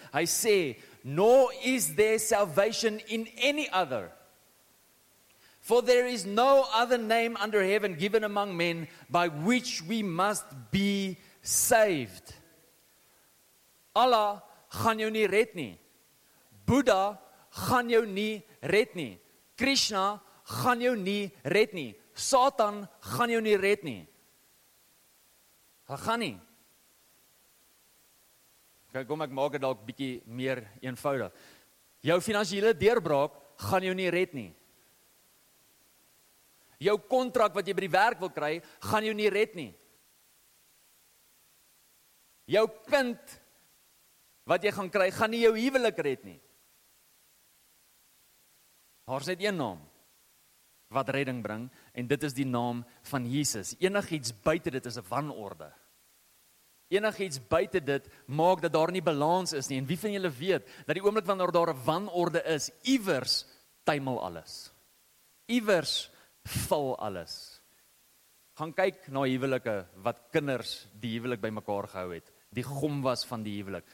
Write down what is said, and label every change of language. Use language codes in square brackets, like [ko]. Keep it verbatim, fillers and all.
[af] Hy sê, [en] "No is there salvation in any other. For there is no other name under heaven given among men by which we must be saved." [af] Allah gaan jou nie red nie. Buddha gaan jou nie red nie. Krishna gaan jou nie red nie. Satan gaan jou nie red nie. Hy gaan nie. Kyk, kom ek maak dit dalk bietjie meer eenvoudig. Jou finansiële deurbraak gaan jou nie red nie. Jou kontrak wat jy by die werk wil kry, gaan jou nie red nie. Jou kind wat jy gaan kry, gaan nie jou huwelik red nie. Daar is net een naam wat redding bring, en dit is die naam van Jesus. Enigiets buite dit is 'n wanorde. Enigiets buite dit maak dat daar nie balans is nie. En wie van julle weet dat die oomblik wanneer daar 'n wanorde is, iewers tuimel alles. Iewers val alles. Gaan kyk na huwelike wat kinders die huwelik bymekaar gehou het, die gom was van die huwelik.